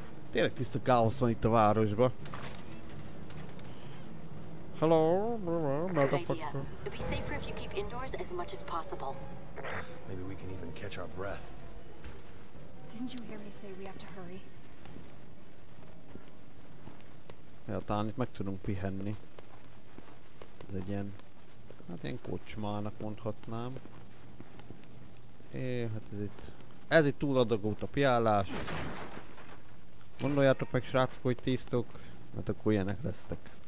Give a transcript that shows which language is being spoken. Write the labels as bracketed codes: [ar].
[hu] Tényleg tiszta káosz van itt a városba. [en] Hello? Motherfucker. It'd be safer if you keep indoors as much as possible. Maybe we can even catch our breath. Didn't you hear me say we have to hurry? [hu] Ja, talán itt meg tudunk pihenni. Ez egy ilyen... Hát ilyen kocsmának mondhatnám. Hát ez itt... Ez itt túladagolt a piálás. Gondoljátok meg, srácok, hogy tisztok, mert akkor ilyenek lesztek.